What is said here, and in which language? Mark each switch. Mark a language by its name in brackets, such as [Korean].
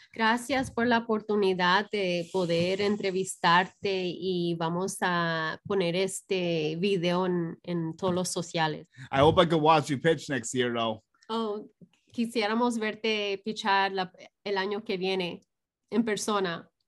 [Spanish] Gracias por la oportunidad de poder entrevistarte y vamos a poner este video en todos los sociales. [English] I hope I can watch you pitch next year, though. [Spanish] Oh, quisiéramos verte pitchar el año que viene en persona.